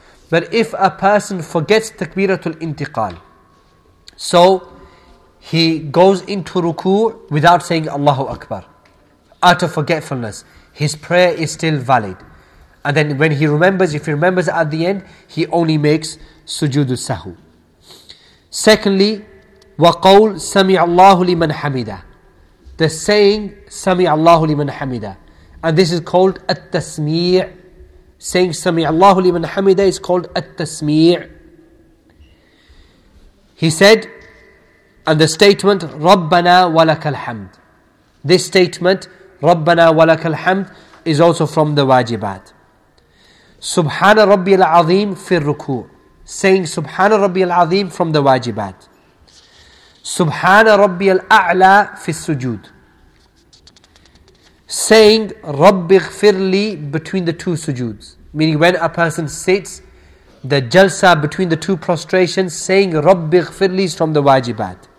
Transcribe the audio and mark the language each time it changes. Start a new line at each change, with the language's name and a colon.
English: But if a person forgets takbiratul intiqal, so he goes into ruku' without saying Allahu Akbar, out of forgetfulness, his prayer is still valid. And then when he remembers, if he remembers at the end, he only makes sujood sahu. Secondly,
Arabic: وَقَوْلْ سَمِعَ اللَّهُ لِمَنْ حَمِدَ,
English: the saying
Arabic: سَمِعَ اللَّهُ لِمَنْ حَمِدَ,
English: and this is called
Arabic: التَّسْمِيعُ.
English: Saying
Arabic: سَمِعَ اللَّهُ لِمَنْ حَمِدَ
English: is called
Arabic: التَّسْمِيعُ.
English: He said, and the statement
Arabic: رَبَّنَا وَلَكَ الْحَمْدِ,
English: this statement رَبَّنَا وَلَكَ الْحَمْدِ is also from the wajibat.
Arabic: سُبْحَانَ رَبِّيَ الْعَظِيمِ فِي الرُّكُوعِ,
English: saying
Arabic: سُبْحَانَ رَبِّيَ الْعَظِيمِ
English: from the wajibat. Subhana Rabbi al-A'la fi sujood, saying Rabbi ghfirli between the two sujoods. Meaning when a person sits, the jalsa between the two prostrations, saying Rabbi ghfirli is from the wajibat.